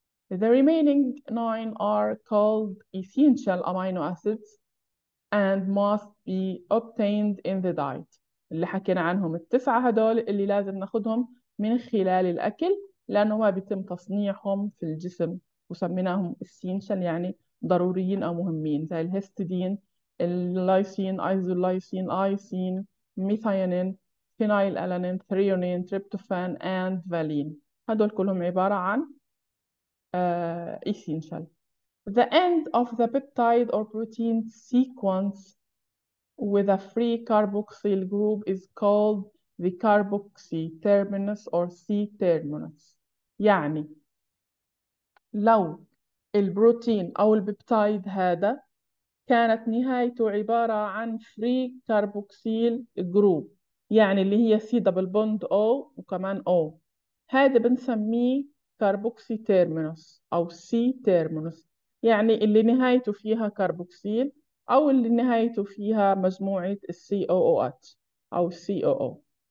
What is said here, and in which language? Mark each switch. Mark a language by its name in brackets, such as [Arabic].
[English] The remaining 9 are called essential amino acids and must be obtained in the diet. [Arabic] اللي حكينا عنهم التسعة هدول اللي لازم ناخذهم من خلال الاكل لانه ما بيتم تصنيعهم في الجسم، وسميناهم essential يعني ضروريين او مهمين، زي الهيستيدين، اللايسين، ايزولايسين، ايسين، ميثيونين، فينايل ألانين، ثريونين، تريبتوفان and فالين. هدول كلهم عبارة عن essential. [English] The end of the peptide or protein sequence with a free carboxyl group is called the carboxy terminus or C terminus. [Arabic] يعني لو البروتين أو البيبتايد هذا كانت نهايته عبارة عن [English] free carboxyl group [Arabic] يعني اللي هي C double bond O وكمان O، هذا بنسميه carboxy terminus أو C terminus، يعني اللي نهايته فيها carboxyl أو اللي نهايته فيها مجموعة ال COOH أو COO.